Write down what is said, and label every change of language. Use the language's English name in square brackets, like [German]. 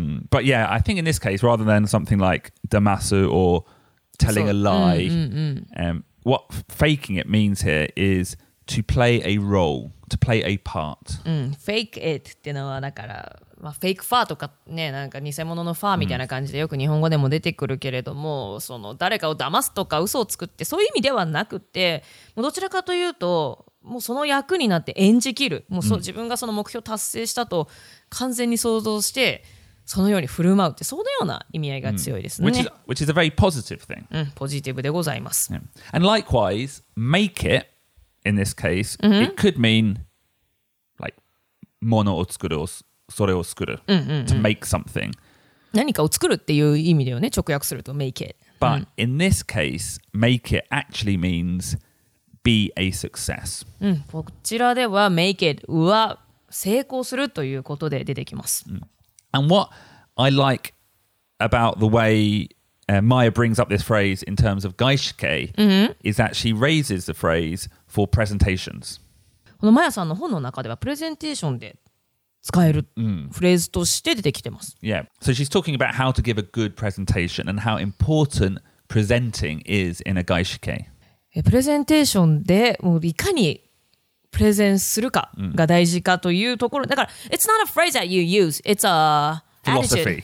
[English] But yeah, I think in this case, rather than something like damasu or telling a lie, what faking it means here is to play a role, to play a part. [Japanese] Fake it っていうのはだから、まあ、フェイクファーとかね、なんか偽物のファーみたいな感じでよく日本語でも出てくるけれども、その誰かを騙すとか嘘をつくってそういう意味ではなくて、もうどちらかというと、もうその役になって演じきる、もうその自分がその目標達成したと完全に想像して、そのように振る舞うって、そのような意味合いが強いですね。 [English] Which is a very positive thing. [Japanese] ポジティブでございます。 [English] Yeah. And likewise, make it, in this case, it could mean, like, [Japanese] ものを作るをそれを作る [English] to make something [Japanese] 何かを作るっていう意味だよね直訳すると [English] make it but in this case make it actually means be a success. [Japanese] こちらでは make it は成功するということで出てきます。 [English] And what I like about the way Maya brings up this phrase in terms of gaishike is that she raises the phrase for presentations. [Japanese] このマヤさんの本の中ではプレゼンテーションで使えるフレーズとして出てきてます。 [English] Yeah. So she's talking about how to give a good presentation and how important presenting is in a gaishike. [Japanese] プレゼンテーションでもういかにプレゼンするかが大事かというところ、だから [English] it's not a phrase that you use. It's a attitude.